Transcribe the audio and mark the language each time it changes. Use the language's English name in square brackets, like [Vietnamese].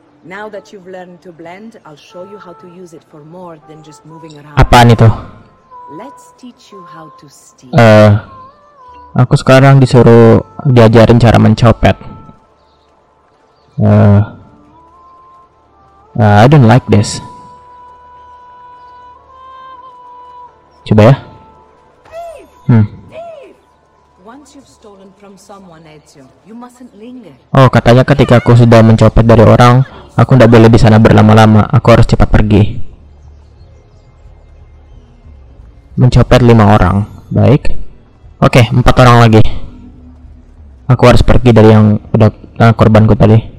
[English] Now that you've learned to blend, I'll show you how to use it for more than just moving around. [Indonesian] Apaan itu? [English] Let's teach you how to steal. [Indonesian] Aku sekarang disuruh diajarin cara mencopet. [English] I don't like this. [Indonesian] Coba ya. [English] Once you've stolen from someone, Ezio, you mustn't linger. [Indonesian] Oh, katanya ketika aku sudah mencopet dari orang, aku tidak boleh di sana berlama-lama. Aku harus cepat pergi. Mencopet 5 orang. Baik. Oke, 4 orang lagi. Aku harus pergi dari yang udah korbanku tadi.